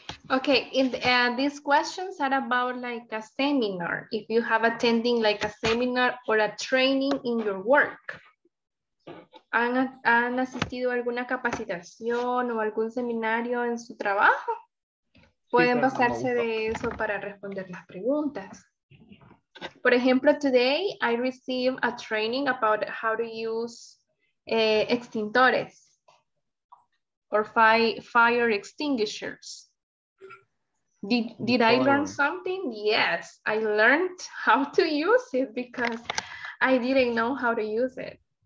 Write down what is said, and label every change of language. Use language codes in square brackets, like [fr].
[en] Okay, these questions are about like a seminar. If you have attending like a seminar or a training in your work. [es] ¿Han asistido a alguna capacitación o algún seminario en su trabajo? Pueden basarse de eso para responder las preguntas. [en] Por ejemplo, today I received a training about how to use extintores or fire extinguishers. Did I learn something? Yes, I learned how to use it because I didn't know how to use it.